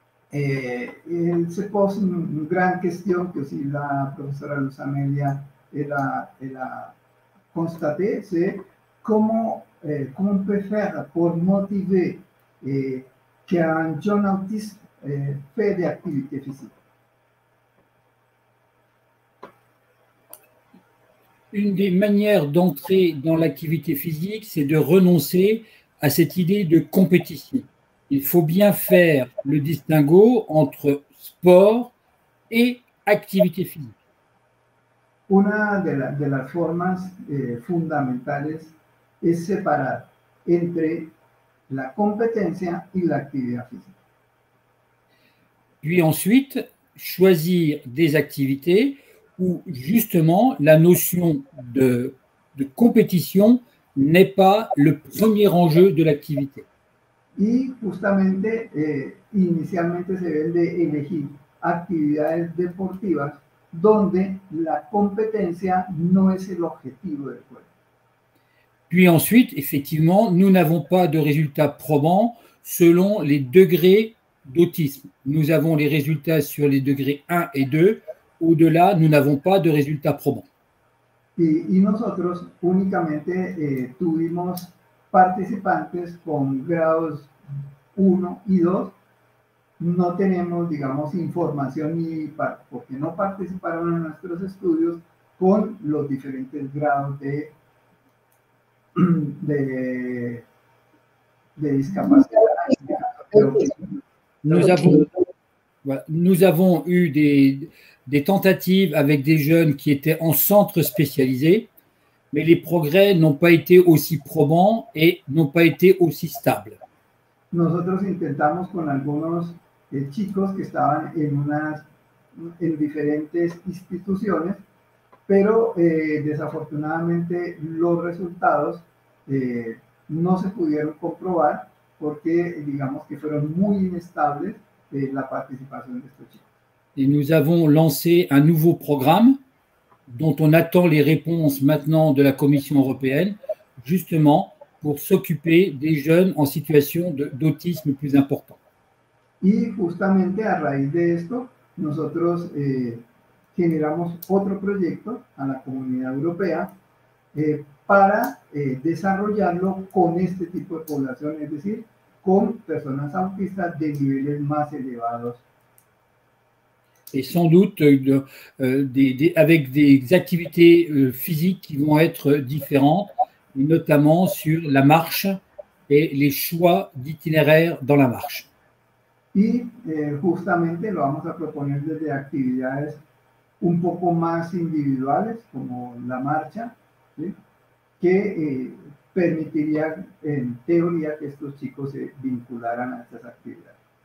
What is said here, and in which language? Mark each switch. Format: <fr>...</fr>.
<es>Se pone una gran cuestión que si la profesora Luz Amelia la constaté, es cómo empezar por motivar que a un joven autista</es> <fr>fait des activités physiques. Une des manières d'entrer dans l'activité physique, c'est de renoncer à cette idée de compétition. Il faut bien faire le distinguo entre sport et activité physique.</fr> <es>Una de las formas fundamentales es separar entre la competencia y la actividad física.</es> <fr>Puis ensuite, choisir des activités où justement la notion de compétition n'est pas le premier enjeu de l'activité. Et justement, initialement,</fr> <es>se deben de elegir actividades deportivas donde la competencia no es el objetivo del juego.</es> <fr>Puis ensuite, effectivement, nous n'avons pas de résultats probants selon les degrés d'autisme. Nous avons les résultats sur les degrés 1 et 2. Au-delà, nous n'avons pas de résultats probants. Et nous, uniquement,</fr> <es>tuvimos participantes con grados 1 y 2. No tenemos, digamos, información ni porque no participaron en nuestros estudios con los diferentes grados de discapacidad.</es> <fr>Nous avons eu des tentatives avec des jeunes qui étaient en centre spécialisé, mais les progrès n'ont pas été aussi probants et n'ont pas été aussi stables.</fr> <es>Nosotros intentamos con algunos chicos que estaban en diferentes instituciones, pero desafortunadamente los resultados no se pudieron comprobar porque digamos que fueron muy inestables la participación de estos chicos.</es> <fr>Et nous avons lancé un nouveau programme dont on attend les réponses maintenant de la Commission européenne, justement pour s'occuper des jeunes en situation d'autisme plus important.</fr> <es>Y justamente a raíz de esto, nosotros generamos otro proyecto a la comunidad europea para desarrollarlo con este tipo de población, es decir, con personas autistas de niveles más elevados.</es> <fr>Et sans doute avec des activités physiques qui vont être différentes, notamment sur la marche et les choix d'itinéraire dans la marche.</fr> <es>Y justamente lo vamos a proponer desde actividades un poco más individuales, como la marcha, ¿sí? Que permitiría en teoría que estos chicos se vincularan a estas actividades.</es>